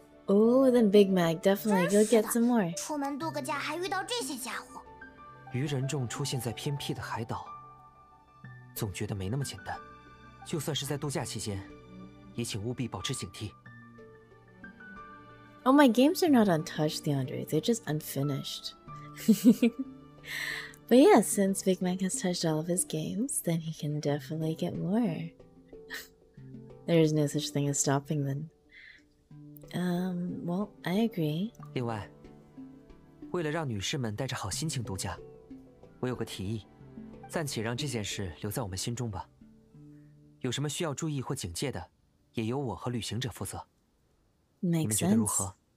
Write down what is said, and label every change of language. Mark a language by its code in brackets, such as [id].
[en] Oh, then Big Mac, definitely go get some more. [zh] 出门度个假还遇到这些家伙。鱼人众出现在偏僻的海岛， 总觉得没那么简单。就算是在度假期间， 也请务必保持警惕。 [en] Oh, my games are not untouched, DeAndre. They're just unfinished. But yeah, since Big Mac has touched all of his games, then he can definitely get more. There is no such thing as stopping then. Well, I agree. [zh] 另外, 为了让女士们带着好心情度假, 我有个提议, 暂且让这件事留在我们心中吧。有什么需要注意或警戒的, 也由我和旅行者负责。 [en] Makes sense. [zh] 你们觉得如何?